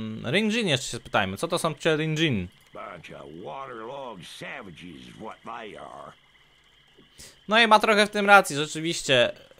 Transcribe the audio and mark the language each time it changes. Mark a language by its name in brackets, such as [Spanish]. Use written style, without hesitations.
[Polish] Ringjin jeszcze się spytajmy, co to są te Ringjin? [English] Bunch of waterlogged savages, what they are. [Polish] No i ma trochę w tym racji, rzeczywiście.